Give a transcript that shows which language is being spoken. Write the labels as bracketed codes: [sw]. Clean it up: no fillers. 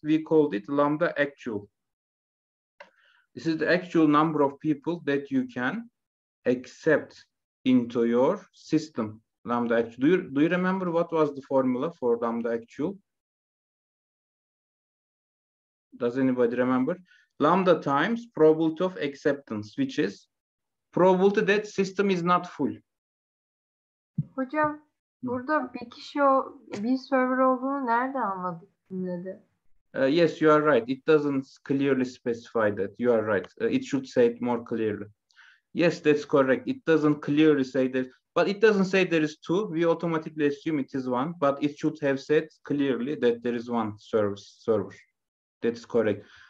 [en] We called it lambda actual. This is the actual number of people that you can accept into your system. Lambda actual. Do you remember what was the formula for lambda actual? Does anybody remember? Lambda times probability of acceptance, which is probability that system is not full. [tr] Hocam, burada bir kişi bir server olduğunu nerede anladık dedi. [en] Yes, you are right. It doesn't clearly specify that. You are right. It should say it more clearly. Yes, that's correct. It doesn't clearly say that. But it doesn't say there is two. We automatically assume it is one. But it should have said clearly that there is one server. That's correct.